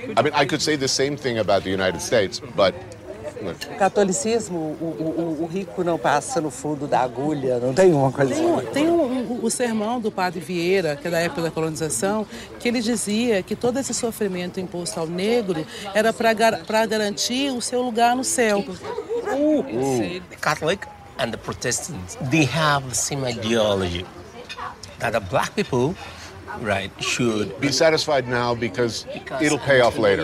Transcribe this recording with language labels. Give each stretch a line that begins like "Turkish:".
English: I mean, I could say the same thing about the United States, but
Portuguese: catolicismo, o rico não passa no fundo da agulha, não tem uma coisa assim. Tem o sermão do padre Vieira, que é da época da colonização, que ele dizia que todo esse sofrimento imposto ao negro era para garantir o seu lugar no céu.
English: Catholic and the Protestants, they have the same ideology that the black people, right, should be satisfied now because it'll pay off later.